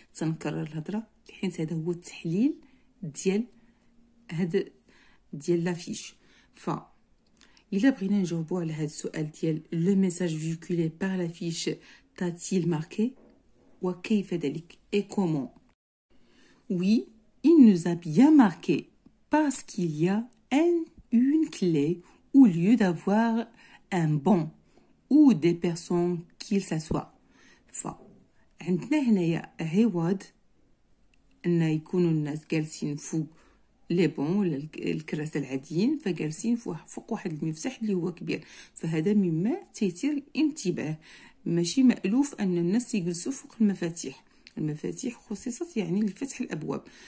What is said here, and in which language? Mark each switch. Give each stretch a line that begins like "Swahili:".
Arabic: تنكرر الهضرة حيت هذا هو التحليل ديال هاد ديال لافيش. ف الى بغينا نجاوبو على هاد السؤال ديال
French: لو ميساج فيكولي بار لافيش تاتيل ماركي
Arabic: وكيف ذلك
French: اي كومون، وي il nous a bien marqué parce qu'il y a une clé au lieu d'avoir un banc ou des personnes qui s'assoient.
Arabic: ف عندنا هنايا ريواد ان يكونوا الناس جالسين فوق لي بون ولا الكراسي العاديين، فجالسين فوق واحد المفتاح اللي هو كبير، فهذا مما تيثير الانتباه. ماشي مألوف ان الناس يجلسوا فوق المفاتيح، المفاتيح خصصت يعني لفتح الابواب.